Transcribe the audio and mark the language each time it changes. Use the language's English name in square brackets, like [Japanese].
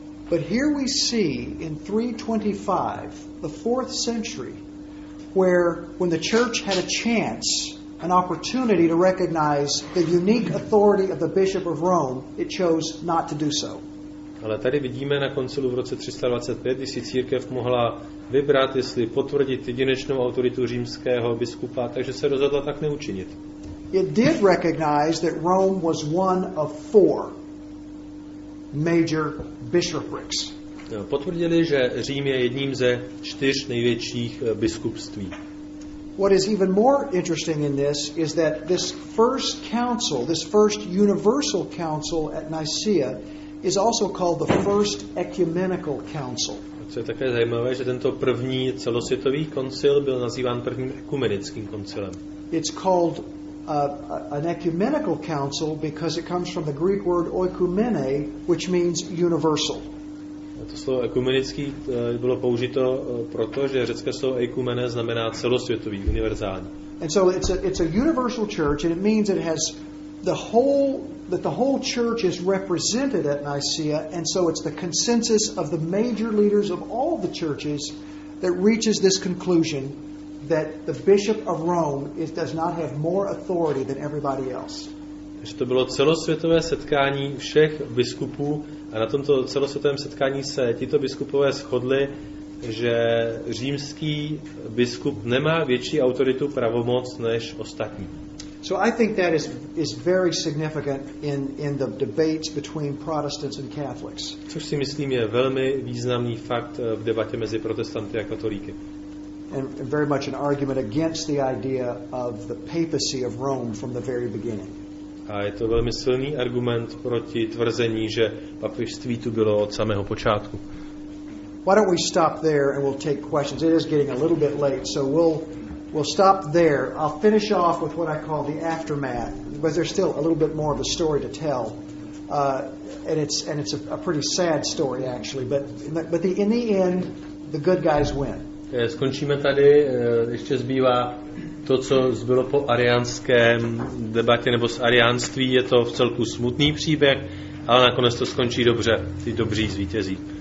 [English] But here we see in 325, the 4th century, where when the church had a chance, an opportunity to recognize the unique authority of the bishop of Rome, it chose not to do so. [Czech] Ale tady vidíme na koncilu v roce 325, když si církev mohla vybrat, jestli potvrdit jedinečnou autoritu římského biskupa, takže se rozhodla tak neučinit. [English] It did recognize that Rome was one of four major bishoprics. [Czech] Potvrdili, že Řím je jedním ze čtyř největších biskupství. [English] What is even more interesting in this is that this first council, this first universal council at Nicaea, is also called the first ecumenical council. [Czech] Co je také zajímavé, že tento první celosvětový koncil byl nazýván prvním ekumenickým koncilem. [English] It's called an ecumenical council because it comes from the Greek word oikoumene, which means universal. [Czech] To slovo ekumenický bylo použito proto, že řecké slovo ekumene znamená celosvětový, univerzální. [English] And so it's a universal church, and it means it has the whole church is represented at Nicaea, and so it's the consensus of the major leaders of all the churches that reaches this conclusion that the bishop of Rome does not have more authority than everybody else. [Czech] Že to bylo celosvětové setkání všech biskupů a na tomto celosvětovém setkání se tito biskupové shodli, že římský biskup nemá větší autoritu, pravomoc než ostatní. [English] So I think that is very significant in the debates between Protestants and Catholics. [Czech] Což si myslím je velmi významný fakt v debatě mezi protestanty a katolíky. [English] And very much an argument against the idea of the papacy of Rome from the very beginning. [Czech] A je to velmi silný argument proti tvrzení, že papežství tu bylo od samého počátku. [English] Why don't we stop there and we'll take questions. It is getting a little bit late, so we'll stop there. I'll finish off with what I call the aftermath, but there's still a little bit more of a story to tell. And it's a pretty sad story actually, but in the end the good guys win. [Czech] Skončíme tady, ještě zbývá to, co zbylo po ariánském debatě nebo s ariánství, je to vcelku smutný příběh, ale nakonec to skončí dobře, ty dobří zvítězí.